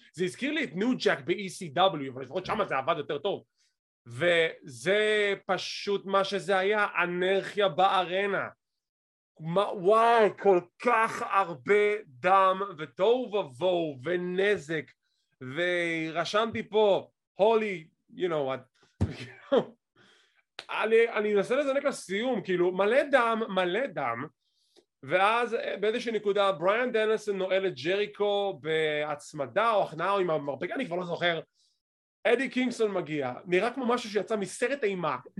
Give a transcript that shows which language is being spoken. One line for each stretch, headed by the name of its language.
Hebrew: זה הזכיר לי את ניו ג'ק ב-ECW, אבל לפחות שם זה עבד יותר טוב. וזה פשוט מה שזה היה, אנרכיה בארנה. וואי, כל כך הרבה דם ותוהו ובוהו ונזק. ורשמתי פה,
English: holy, you know what.
Hebrew: אני אנסה לזנק לסיום, כאילו, מלא דם, מלא דם, ואז באיזושהי נקודה, בריאן דנלסון נועל את ג'ריקו בהצמדה או הכנעה או עם המרפק, אני כבר לא זוכר, אדי קינגסון מגיע, נראה כמו משהו שיצא מסרט אימה,